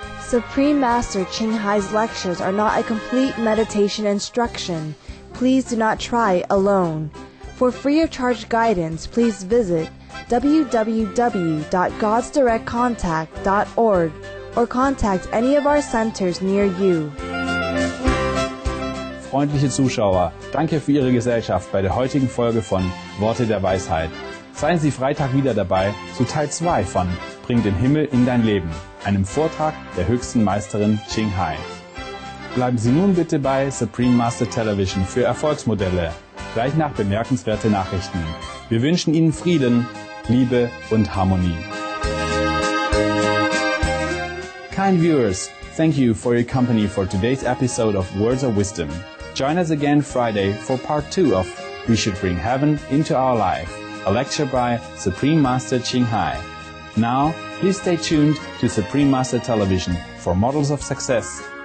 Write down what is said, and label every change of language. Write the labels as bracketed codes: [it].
[en] Supreme Master Qinghai's lectures are not a complete meditation instruction. Please do not try alone. For free of charge guidance, please visit www.godsdirectcontact.org or contact any of our centers near you. [de] Freundliche Zuschauer, danke für Ihre Gesellschaft bei der heutigen Folge von Worte der Weisheit. Seien Sie Freitag wieder dabei zu Teil 2 von Bring den Himmel in dein Leben, einem Vortrag der höchsten Meisterin Qinghai. Bleiben Sie nun bitte bei Supreme Master Television für Erfolgsmodelle. gleich nach bemerkenswerte Nachrichten. Wir wünschen Ihnen Frieden, Liebe und Harmonie. [en] Kind viewers, thank you for your company for today's episode of Words of Wisdom. Join us again Friday for part 2 of We Should Bring Heaven into Our Life, a lecture by Supreme Master Qinghai. Now, please stay tuned to Supreme Master Television for Models of Success.